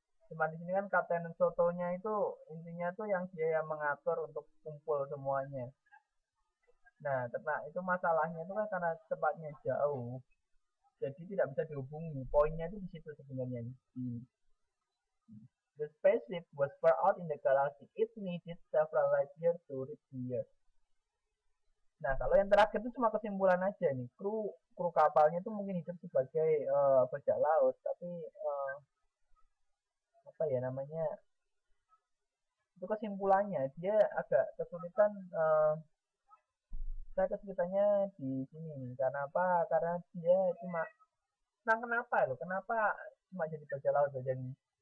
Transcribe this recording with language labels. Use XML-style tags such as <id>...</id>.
<id>Cuman di sini kan Kapten Sotonya itu intinya tuh yang dia yang mengatur untuk kumpul semuanya. Nah, karena itu masalahnya itu kan karena tempatnya jauh, jadi tidak bisa dihubungi. Poinnya itu di situ sebenarnya.</id> <en>The spaceship was far out in the galaxy. It needed several light years to reach the Earth.</en> <id>Nah, kalau yang terakhir itu cuma kesimpulan aja nih. Kru kru kapalnya itu mungkin hidup sebagai bajak laut, tapi apa ya namanya, itu kesimpulannya dia agak kesulitan. Saya kesulitannya di sini karena apa? Karena dia cuma, nah kenapa loh, kenapa cuma jadi bajak laut aja nih?</id>